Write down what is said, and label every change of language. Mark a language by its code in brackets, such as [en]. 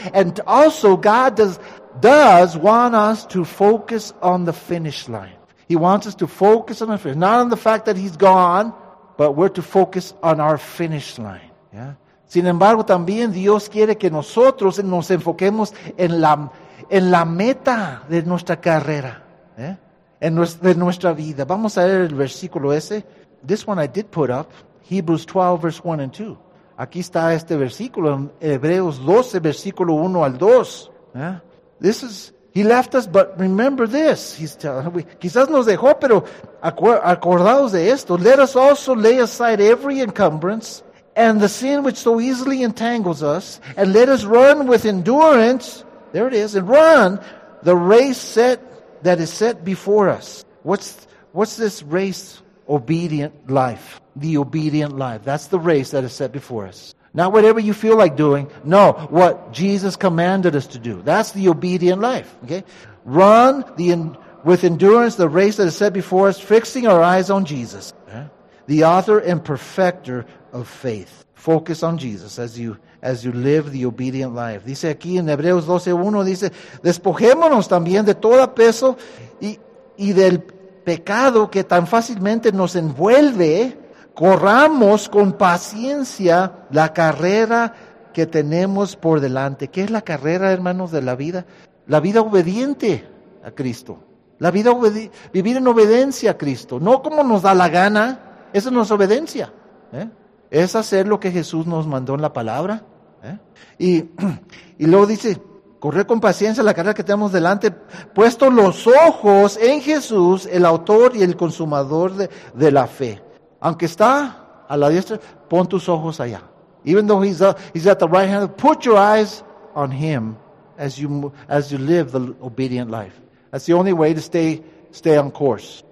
[en] And also, God does want us to focus on the finish line. He wants us to focus on the finish. Not on the fact that He's gone, but we're to focus on our finish line. Yeah? [es] Sin embargo, también Dios quiere que nosotros nos enfoquemos en la meta de nuestra carrera, ¿eh? De nuestra vida. Vamos a leer el versículo ese. [en] This one I did put up, Hebrews 12, verse 1 and 2. [es] Aquí está este versículo, en Hebreos 12, versículo 1 al 2. ¿Eh? [en] This is, He left us, but remember this. He's telling, [es] quizás nos dejó, pero acordaos de esto. [en] Let us also lay aside every encumbrance, and the sin which so easily entangles us, and let us run with endurance, there it is, and run the race set that is set before us. What's this race? Obedient life. The obedient life. That's the race that is set before us. Not whatever you feel like doing. No, what Jesus commanded us to do. That's the obedient life. Okay, run with endurance the race that is set before us, fixing our eyes on Jesus. Okay? The author and perfecter of faith. Focus on Jesus as you live the obedient life. [es] Dice aquí en Hebreos 12:1, dice, despojémonos también de todo peso y del pecado que tan fácilmente nos envuelve. Corramos con paciencia la carrera que tenemos por delante. ¿Qué es la carrera, hermanos, de la vida? La vida obediente a Cristo. La vida vivir en obediencia a Cristo. No como nos da la gana. Eso no es obediencia, ¿eh? Es hacer lo que Jesús nos mandó en la palabra, ¿eh? Y luego dice, correr con paciencia la carrera que tenemos delante, puesto los ojos en Jesús, el autor y el consumador de la fe. Aunque está a la diestra, pon tus ojos allá. [en] Even though he's at the right hand, put your eyes on Him as you live the obedient life. That's the only way to stay on course.